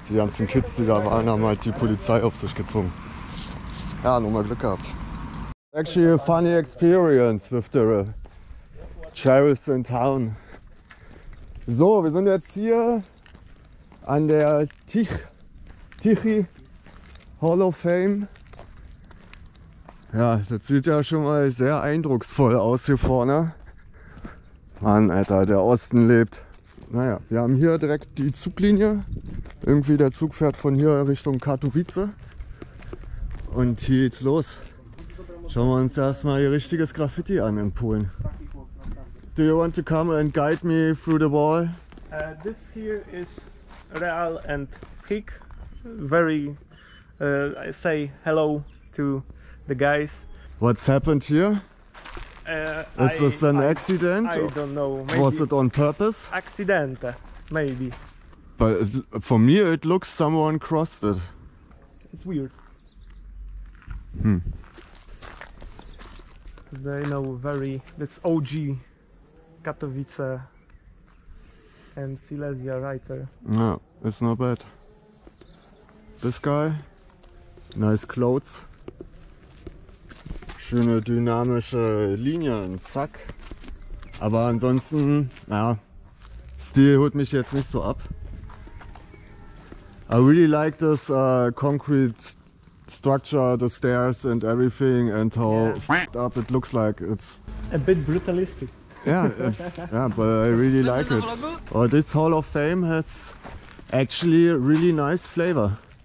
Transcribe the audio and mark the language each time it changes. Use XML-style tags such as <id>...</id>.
<de>Die ganzen Kids, die da waren, haben halt die Polizei auf sich gezogen. Ja, nochmal Glück gehabt.</de> <en>Actually a funny experience with the sheriffs in town.</en> <de>So, wir sind jetzt hier an der Tichy Hall of Fame. Ja, das sieht ja schon mal sehr eindrucksvoll aus hier vorne. Mann, Alter, der Osten lebt. Naja, wir haben hier direkt die Zuglinie. Irgendwie der Zug fährt von hier Richtung Katowice. Und hier geht's los. Schauen wir uns erstmal hier richtiges Graffiti an in Polen.</de> <en>Do you want to come and guide me through the wall? This here is Real and Hick. Very, I say hello to the guys. What's happened here? Is this an accident? I don't know. Maybe was it on purpose? Accident, maybe. But for me it looks someone crossed it. It's weird. They know very, that's OG. Katowice and Silesia writer. No, it's not bad. This guy, nice clothes.</en> <de>Schöne dynamische Linie, ein Sack. Aber ansonsten, naja, Stil holt mich jetzt nicht so ab.</de> <en>I really like this concrete structure, the stairs and everything and how fucked up it looks like. It's a bit brutalistic. Yeah, but I really like it. Oh, this Hall of Fame has actually a really nice flavor.</en>